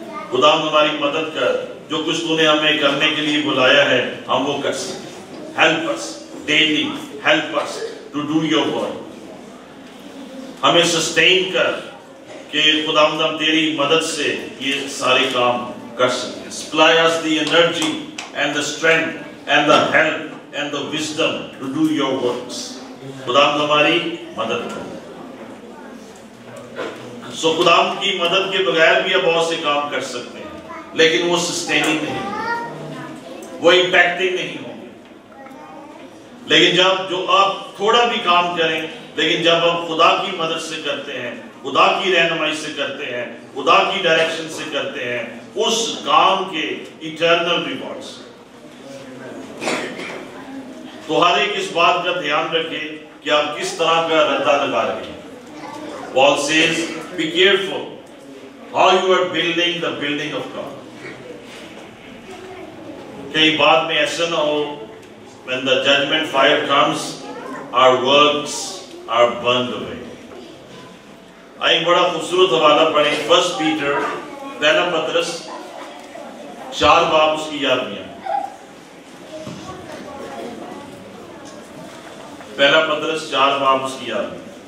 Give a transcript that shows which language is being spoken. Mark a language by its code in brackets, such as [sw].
[ur] خدا ہماری مدد کر, جو کچھ تو نے ہمیں کرنے کے لیے بلایا ہے ہم وہ کر سکیں. [en] Help us daily, help us to do your work. [ur] ہمیں سسٹین کر کہ خدا ہم تیری مدد سے یہ سارے کام کر سکیں. [en] Supply us the energy and the strength and the help and the wisdom to do your works. [ur] خدا ہماری مدد کر. سو خدا کی مدد کے بغیر بھی ہم بہت سے کام کر سکتے ہیں, لیکن وہ سسٹیننگ نہیں, وہ امپیکٹنگ نہیں ہوں گے. لیکن جب جو آپ تھوڑا بھی کام کریں, لیکن جب آپ خدا کی مدد سے کرتے ہیں, خدا کی رہنمائی سے کرتے ہیں, خدا کی ڈائریکشن سے کرتے ہیں, اس کام کے اٹرنل ریوارڈز. تو ہر ایک اس بات کا دھیان رکھے کہ آپ کس طرح کا ردا لگا رہے ہیں. [en] Paul says, be careful how you are building the building of God. [ur] کئی بات میں ایسا نہ ہو, [en] when the judgment fire comes, our works are burned away. [ur] ایک بڑا خوبصورت حوالہ پڑھیں, 1 پیٹر پہلا پترس 4 باب اس کی یاد میں. پہلا پترس 4 باب اس کی یاد میں.